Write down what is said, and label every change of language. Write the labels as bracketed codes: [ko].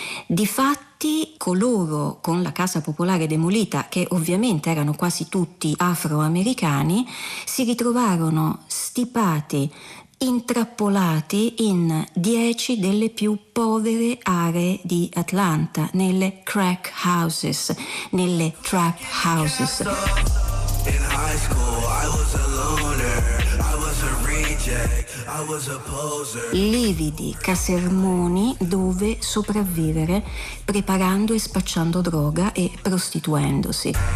[it] Difatti, coloro con la casa popolare demolita, che ovviamente erano quasi tutti afroamericani, si ritrovarono stipati, intrappolati in 10 delle più povere aree di Atlanta, nelle crack houses, nelle trap houses. [en] In high school I was a loner, I was a reject, I was a poser. [it] Lividi casermoni dove sopravvivere preparando e spacciando droga e prostituendosi.